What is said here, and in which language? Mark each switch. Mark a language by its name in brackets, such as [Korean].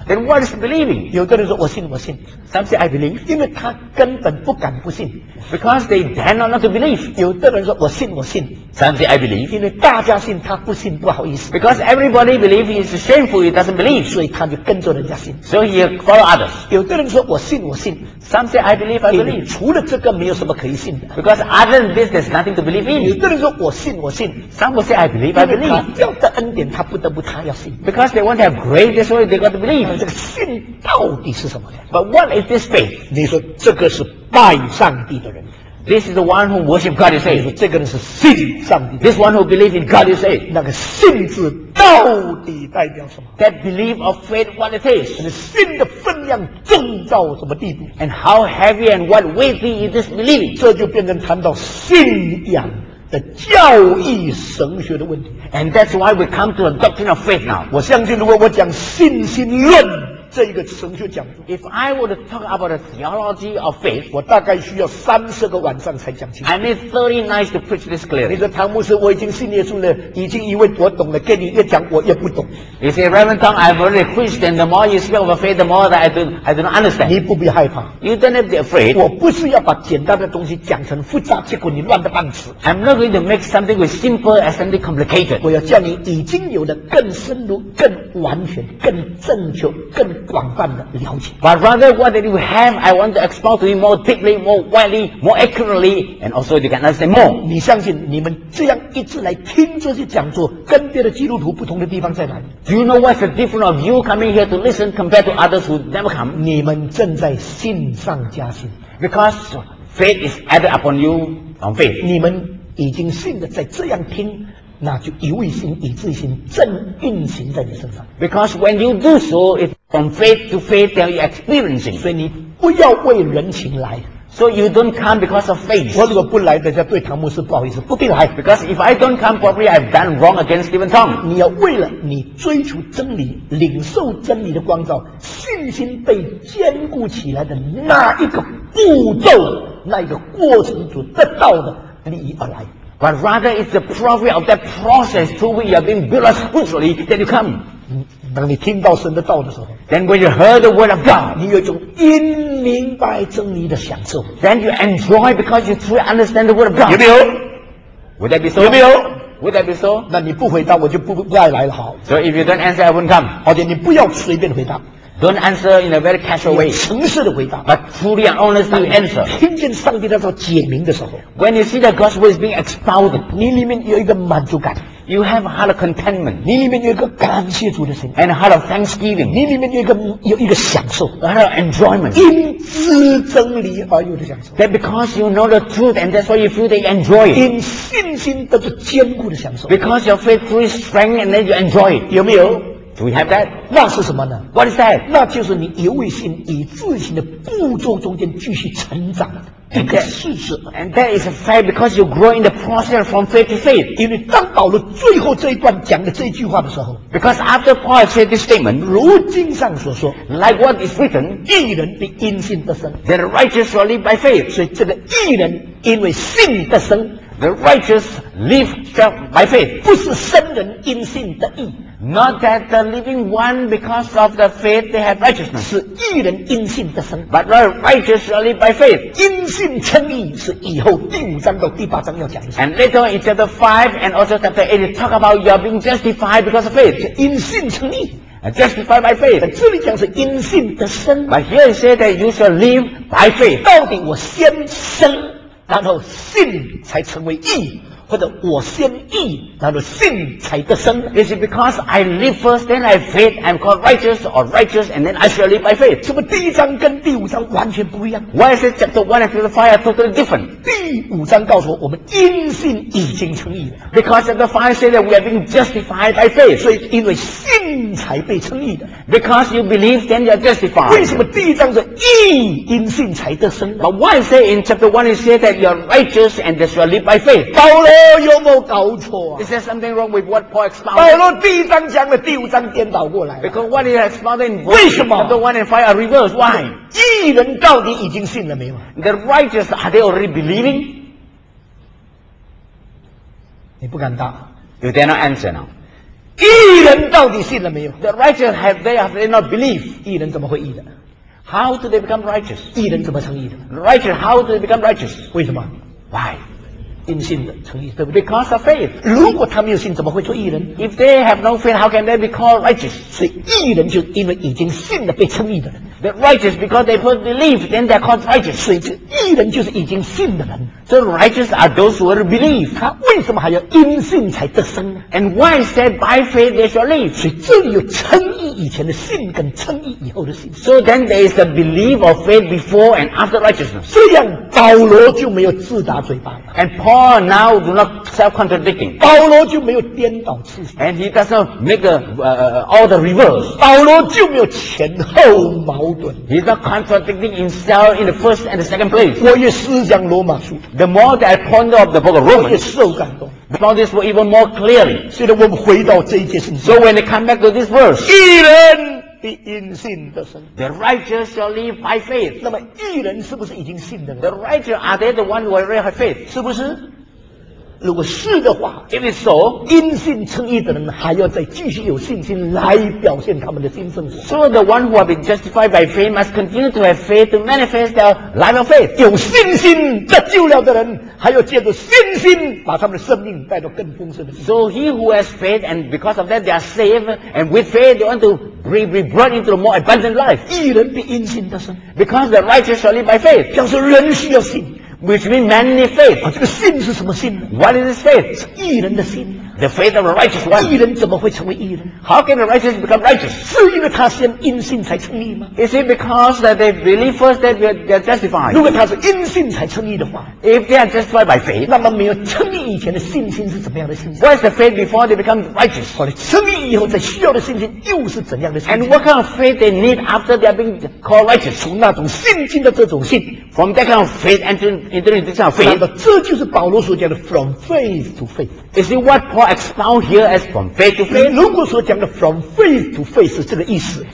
[English] Then what is believing? [Chinese] 有的人说我信，我信。 [English] Some say I believe. [Chinese] 因为他根本不敢不信。 [English] Because they dare not to believe. [Chinese] 有的人说我信，我信。 [English] Some say I believe. [Chinese] 因为大家信，他不信不好意思。 [English] Because everybody believe, he is shameful, he doesn't believe. [Chinese] 所以他就跟着人家信。 [English] So he follow others. [Chinese] 有的人说我信，我信。 [English] Some say I believe, I believe. [Chinese] 除了这个没有什么可以信的。 [English] Because other than this, there's nothing to believe in. [Chinese] 有的人说我信，我信。 [English] Some will say I believe, I believe. [Chinese] 因为他要的恩典，他不得不他要信。 [English] Because they want to have grace, so they got to believe. [Chinese] 这个信到底是什么呢？ [English] But what is this faith? [Chinese] 你说这个是拜上帝的人。 [English] This is the one who worship God, you say. [Chinese] 你说这个人是信上帝。 [English] This one who believe in God, you say. [Chinese] 那个信字到底代表什么？ [English] That belief of faith, what it is. [Chinese] 你信的分量重到什么地步？ [English] And how heavy and what weighty is this believing? [Chinese] 这就变成谈到信仰的教义神学的问题。 [English] And that's why we come to the doctrine of faith now. [Chinese] 我相信如果我讲信心论这一个神学讲座， [English] If I were to talk about the theology of faith, [Chinese] 我大概需要30个晚上才讲清楚。 [English] I need 30 nights to preach this clearly. [Chinese] 你说唐牧师，我已经信耶稣了，已经以为我懂了，跟你越讲我越不懂。 [English] You say, Reverend Tom, I've already preached, and the more you speak of faith, the more that I don't understand. [Chinese] 你不必害怕。 [English] You don't have to be afraid. [Chinese] 我不是要把简单的东西讲成复杂，结果你乱得半死。 [English] I'm not going to make something with simple as something complicated. [Chinese] 我要叫你已经有了更深入、更完全、更正确、更广泛的了解。 [English] But rather what that you have, I want to expound to you more deeply, more widely, more accurately, and also you can understand more. [Chinese] 你相信你们这样一直来听这些讲座，跟别的基督徒不同的地方在哪里？ [English] Do you know what's the difference of you coming here to listen compared to others who never come? [Chinese] 你们正在信上加信。 [English] Because faith is added upon you on faith. [Chinese] 你们已经信了，在这样听，那就由于信以至于信正运行在你身上。 [English] Because when you do so, it's from faith to faith that you're experiencing. [Chinese] 所以你不要为人情来。 [English] So you don't come because of faith. [Chinese] 我如果不来，大家对唐牧师不好意思，不必来。 [English] Because if I don't come, probably I've done wrong against Stephen Tong. [Chinese] 你要为了你追求真理，领受真理的光照，信心被坚固起来的那一个步骤，那一个过程所得到的利益而来。 [English] But rather it's the profit of that process through which you have been built up spiritually that you come. [Chinese] 当你听到神的道的时候 [English] ，Then when you heard the word of God， [Chinese] 你有一种因明白真理的享受。 [English] Then you enjoy because you truly understand the word of God。 [Chinese] 有没有 [English] ？Would that be so？ [Chinese] 有没有 [English] ？Would that be so？ [Chinese] 那你不回答，我就不再来了。好。 [English] So if you don't answer, I won't come。 [Chinese] 或者你不要随便回答。 [English] Don't answer in a very casual way。 [Chinese] 诚实的回答。 [English] But truly and honestly answer。 [Chinese] 听见上帝在做解明的时候 [English] ，When you see that God's word is being expounded， [Chinese] 你里面有一个满足感。 [English] You have a heart of contentment. [Chinese] 你里面有一个感谢主的心 [English] ，and a heart of thanksgiving. [Chinese] 你里面有一个享受 [English] ，a heart of enjoyment. [Chinese] 因知真理而有的享受 [English] ，that because you know the truth and that's why you feel that you enjoy it. [Chinese] 因信心得着坚固的享受 [English] ，because your faith through strength and then you enjoy it. [Chinese] 有没有 [English] ？Do we have that? [Chinese] 那是什么呢 [English] ？What is that? [Chinese] 那就是你由于信以自信的步骤中间继续成长。 [English] And that is a fact because you grow in the process from faith to faith. [Chinese] 因为当保罗最后这一段讲的这句话的时候 [English] ，because after Paul said this statement， [Chinese] 如经上所说 [English] ，like what is written， [Chinese] 义人必因信得生 [English] ，the righteous shall live by faith。 [Chinese] 所以这个义人因为信得生 [English] ，the righteous live by faith， [Chinese] 不是生人因信得义。 [English] Not that the living one, because of the faith, they have righteousness. [Chinese] 是义人因信得生 [English] But rather righteous only by faith. [Chinese] 因信称义是以后第五章到第八章要讲的 [English] And later in chapter 5 and also chapter 8, talk about you are being justified because of faith. [Chinese] 是因信称义 [English] Justified by faith. [Chinese] 在这里讲是因信得生 [English] But here it says that you shall live by faith. [Chinese] 到底我先生然后信才成为义或者我先义，然后信才得生。 [English] Is it because I live first, then I faith, I'm called righteous or righteous, and then I shall live by faith? [Chinese] 是不是第一章跟第五章完全不一样 [English] ？Why is it chapter 1 and chapter 5 totally different? [Chinese] 第五章告诉我们因信已经称义了。 [English] Because chapter 5 says that we have been justified by faith. [Chinese] 所以因为信才被称义的。 [English] Because you believe, then you're justified. [Chinese] 为什么第一章是义因信才得生 [English] ？But why is it in chapter 1 it says that you're righteous and that you shall live by faith? [Chinese] 有没有搞错、啊、 [English] Is there something wrong with what Paul expounded? [Chinese] 保罗第一章讲的第五章颠倒过来 [English] Because what he expounded in chapter 1 and 5 are reversed. Why? [Chinese] 义人到底已经信了没有 [English] The righteous, are they already believing? [Chinese] 你不敢答 [English] You dare not answer now. [Chinese] 义人到底信了没有 [English] The righteous, have they not believed? [Chinese] 义人怎么会义的 [English] How do they become righteous? [Chinese] 义人怎么成义的 [English] Righteous, how do they become righteous? [Chinese] 为什么 [English] Why? [Chinese] 因信的成义，对不对 [English] ？Because of faith. [Chinese] 如果他没有信，怎么会做义人 [English] ？If they have no faith, how can they be called righteous? [Chinese] 所以义人就因为已经信了，被称义的人。 [English] The righteous because they first believe, then they are called righteous. [Chinese] 所以这义人就是已经信的人。 [English] So righteous are those who believe. [Chinese] 他为什么还要因信才得生 [English] ？And why said by faith they shall live? [Chinese] 所以这里有称义以前的信跟称义以后的信。 [English] So then there is the belief of faith before and after righteousness. [Chinese] 这样保罗就没有自打嘴巴了。 [English] And Paul now do not self-contradicting. [Chinese] 保罗就没有颠倒次序。 [English] And he doesn't make all the reverse. [Chinese] 保罗就没有前后矛盾。 [English] He's not contradicting himself in the first and the second place. [Chinese] 我越思想罗马书 [English] The more that I ponder of the book of Romans, [Chinese] 越受感动 [English] Because this will even more clearly. [Chinese] 现在我们回到这一节圣经 [English] So when I come back to this verse, [Chinese] 义人必因信得生 [English] The righteous shall live by faith. [Chinese] 那么义人是不是已经信的人 [English] The righteous are they the one who already have faith? [Chinese] 是不是？如果是的话 [English] ，If it's so， [Chinese] 因信称义的人还要再继续有信心来表现他们的新生活。 [English] So the one who have been justified by faith must continue to have faith to manifest their life of faith。 [Chinese] 有信心得救了的人，还要借着信心把他们的生命带到更丰盛的。 [English] So he who has faith and because of that they are saved and with faith they want to be brought into a more abundant life。 [Chinese] 义人必因信得生 [English] ，Because the righteous shall live by faith。 [Chinese] 表示人需要信。 [English] Which means many faith. [Chinese] 啊，这个信是什么信 [English] ？What is this faith? [Chinese] 是义人的信。 [English] The faith of a righteous one. [Chinese] 义人怎么会成为义人 [English] ？How can a righteous become righteous? [Chinese] 是因为他先因信才称义吗 [English] ？Is it because that they believe first that they are justified? [Chinese] 如果他是因信才称义的话 [English] ，If they are justified by faith, [Chinese] 那么没有称义以前的信心是怎么样的信心 [English] ？What is the faith before they become righteous? [Chinese] 或者称义以后才需要的信心又是怎样的信心 [English] ？And what kind of faith they need after they are being called righteous? [Chinese] 从那种信心的这种信 [English] ，from that kind of faith entering into this kind of faith. [Chinese] 那么这就是保罗所讲的 [English] from faith to faith. Is it what Paul Paul expound here as from faith to faith? [Chinese] 如果说讲的 [English] from faith to faith [Chinese] 是这个意思，